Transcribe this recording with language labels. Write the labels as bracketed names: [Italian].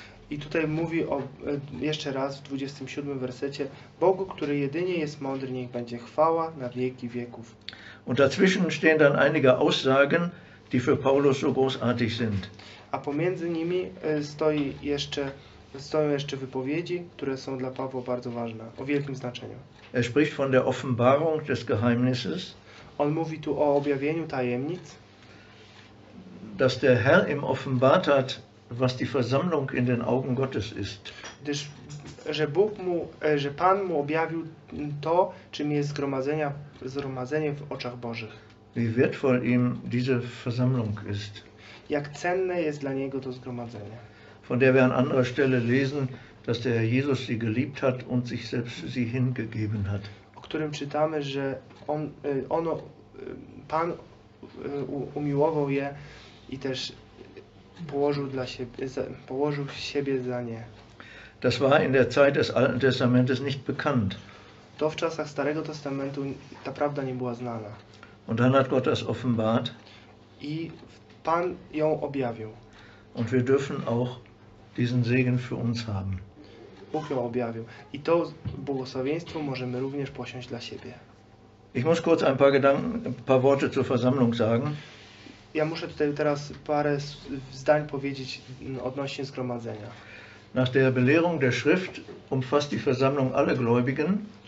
[Polish] I tutaj mówi o, jeszcze raz w 27 wersecie: Bogu, który jedynie jest mądry, niech będzie chwała na wieki wieków. [German] Und dazwischen stehen dann einige Aussagen, die für Paulus so großartig sind. [Polish] A pomiędzy nimi stoi jeszcze, stoją jeszcze wypowiedzi, które są dla Pawła bardzo ważne, o wielkim znaczeniu. [German] Er spricht von der Offenbarung des Geheimnisses. [Polish] On mówi tu o objawieniu tajemnic. [German] Dass der Herr ihm offenbart hat, was die Versammlung in den Augen Gottes ist. [Polish] Gdyż, że Bóg mu, że Pan mu objawił to, czym jest zgromadzenie w oczach Bożych. [German] Wie wertvoll ihm diese Versammlung ist. [Polish] Jak cenne jest dla niego to zgromadzenie. [German] Von der wir an anderer Stelle lesen, dass der Herr Jesus sie geliebt hat und sich selbst für sie hingegeben hat. [Polish] O którym czytamy, że on, ono, Pan umiłował je i też położył dla siebie, położył siebie za nie. [German] Das war in der Zeit des Alten Testamentes nicht bekannt. [Polish] To w czasach Starego Testamentu ta prawda nie była znana. [German] Und dann hat Gott das offenbart. [Polish] I Pan ją objawił. [German] Und wir dürfen auch diesen Segen für uns haben. [Polish] Bóg ją objawił. I to błogosławieństwo możemy również posiąść dla siebie. [German] Ich muss kurz ein paar Gedanken, ein paar Worte zur Versammlung sagen. [Polish] Ja muszę tutaj teraz parę zdań powiedzieć odnośnie zgromadzenia. [German] Nach der Belehrung der Schrift umfasst die Versammlung alle Gläubigen.